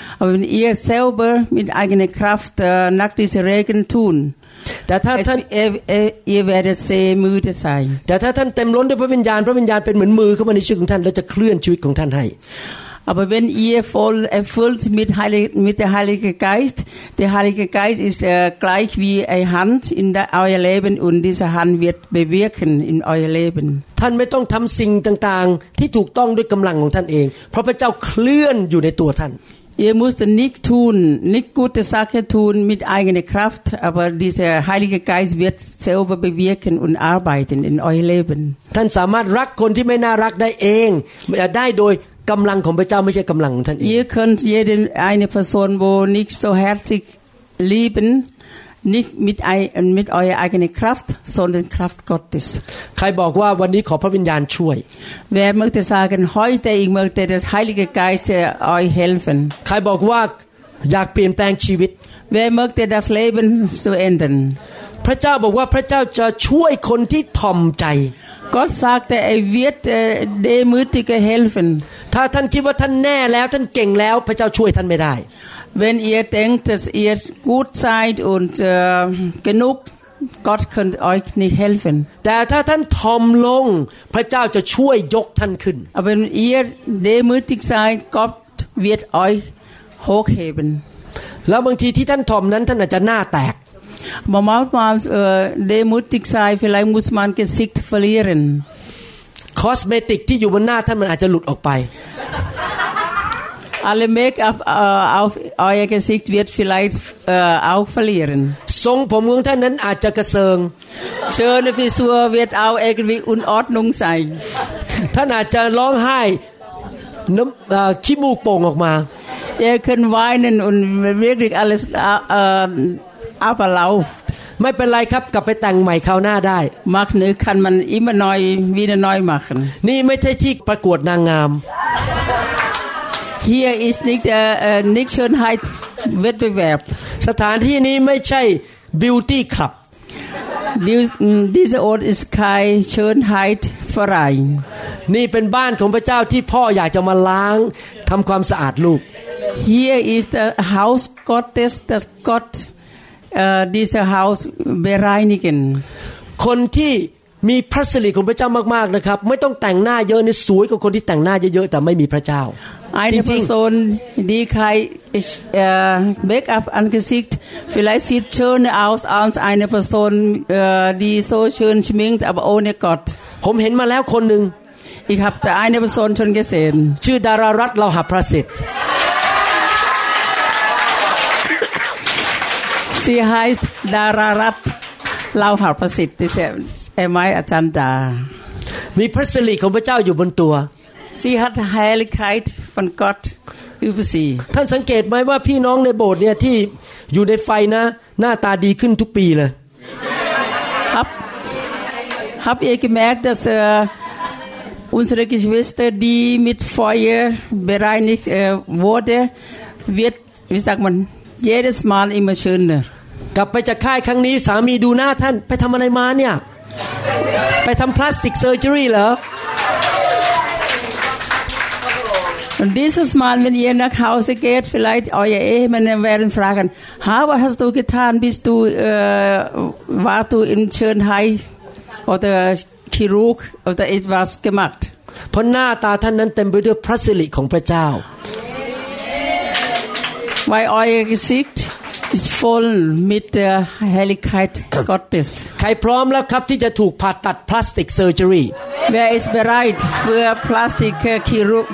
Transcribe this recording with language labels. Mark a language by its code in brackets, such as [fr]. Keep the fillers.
[de] Aber wenn ihr selber mit eigener Kraft äh, nach diesen Regeln tun, [th] แต่ถ้า [de] es, [th] ท่าน [de] ihr, ihr- ihr werdet sehr müde sein. [th] แต่ถ้าท่านเต็มล้นด้วยพระวิญญาณ พระวิญญาณเป็นเหมือนมือเข้ามาในชีวิตของท่านแล้วจะเคลื่อนชีวิตของท่านให้ [de] Aber wenn ihr voll erfüllt mit, Heilig, mit der Heilige Geist, der Heilige Geist ist äh, gleich wie eine Hand in de, euer Leben und diese Hand wird bewirken in euer Leben. [th] ท่านไม่ต้องทำสิ่งต่างๆ ที่ถูกต้องด้วยกำลังของท่านเอง เพราะพระเจ้าเคลื่อนอยู่ในตัวท่าน [de] Ihr müsst nicht tun, nicht gute Sachen tun mit eigener Kraft, aber dieser Heilige Geist wird selber bewirken und arbeiten in euer Leben. [th] ท่านสามารถรักคนที่ไม่น่ารักได้เองได้โดยกำลังของพระเจ้าไม่ใช่กำลังของท่านเอง [de] Ihr könnt jede eine Person, wo nicht so herzig lieben, nicht mit, ei- mit eurer eigenen Kraft, sondern Kraft Gottes. [th] ใครบอกว่าวันนี้ขอพระวิญญาณช่วย [de] Wer möchte sagen, heute ich möchte das Heilige Geist äh, euch helfen. [th] ใครบอกว่าอยากเปลี่ยนแปลงชีวิต [de] Wer möchte das Leben zu ändern? [th] พระเจ้าบอกว่าพระเจ้าจะช่วยคนที่ถ่อมใจ [de] Gott sagte, er wird äh, Demütige helfen. [th] ถ้าท่านคิดว่าท่านแน่แล้วท่านเก่งแล้วพระเจ้าช่วยท่านไม่ได้ [de] Wenn ihr denkt, dass ihr gut seid und äh, genug, Gott könnt euch nicht helfen. [th] แต่ถ้าท่านทอมลง พระเจ้าจะช่วยยกท่านขึ้น [de] Aber wenn ihr demütig seid, Gott wird euch hochheben. [th] แล้วบางทีที่ท่านทอมนั้นท่านอาจจะหน้าแตก [de] Aber manchmal äh, demütig sein, vielleicht muss man Gesicht verlieren. [th] คอสเมติกที่อยู่บนหน้าท่านมันอาจจะหลุดออกไป [de] Alle Make-up äh, auf euer Gesicht wird vielleicht äh, auch verlieren. [th] ทรงผมของท่านนั้นอาจจะกระเซิง [de] Schöne Frisur wird auch irgendwie Unordnung sein. [th] ท่านอาจจะร้องไห้น้ำเอ่อขี้มูกโป่งออกมา [de] Ihr könnt weinen und wirklich alles äh, äh, aberlaufen. [th] ไม่เป็นไรครับกลับไปแต่งใหม่คราวหน้าได้ [de] Macht nicht, kann man immer neu, wieder neu machen. [th] นี่ไม่ใช่ที่ประกวดนางงาม [de] Hier ist nicht, äh, äh, nicht Schönheit Wettbewerb. [th] สถานที่นี้ไม่ใช่บิวตี้คลับ [de] Dies- m, Dieser Ort ist kein Schönheitverein. [th] นี่เป็นบ้านของพระเจ้าที่พ่ออยากจะมาล้างทำความสะอาดลูก [de] Hier ist das Haus Gottes, das Gott äh, dieses Haus bereinigen. [th] คนที่มีพระสิริของพระเจ้ามากๆนะครับ ไม่ต้องแต่งหน้าเยอะในสวยกว่าคนที่แต่งหน้าเยอะๆแต่ไม่มีพระเจ้า จ [de] Eine [th] ริง [de] Person, die kein äh, Make-up angesicht, vielleicht sieht schöner aus als eine Person, äh, die so schön schminkt, aber ohne Gott. [th] ๆ ผมเห็นมาแล้วคนหนึ่ง [de] Ich habe da eine Person schon gesehen. [th] ชื่อดารารัตน์เราหาประสิทธิ์ [de] Sie heißt Dararat Lauhar Pasit. Das ist meine Agenda. [th] มีพระสิริของพระเจ้าอยู่บนตัว [de] Sie hat Heiligkeit von Gott über sie. [th] ท่านสังเกตไหมว่าพี่น้องในโบสถ์เนี่ยที่อยู่ในไฟนะ หน้าตาดีขึ้นทุกปีเลย [de] Hab, hab ihr gemerkt, dass äh, unsere Geschwister, die mit Feuer bereinigt äh, wurde, wird, wie sagt man, jedes Mal immer schöner. [th] กลับไปจากค่ายครั้งนี้สามีดูหน้าท่านไปทำอะไรมาเนี่ย ไปทำพลาสติกเซอร์เจอรี่เหรอ [de] Und dieses Mal, wenn ihr nach Hause geht, vielleicht eure Ehemänner werden fragen, ha, was hast du getan? Bist du, äh, warst du in Schönheit oder Chirurg oder etwas gemacht? [th] เพราะหน้าตาท่านนั้นเต็มไปด้วยพระสิริของพระเจ้า [de] Weil euer Gesicht ist voll mit der Heiligkeit Gottes. [th] ใครพร้อมแล้วครับที่จะถูกผ่าตัดพลาสติกเซอร์เจอรี่ [de] Wer ist bereit für Plastikchirurg?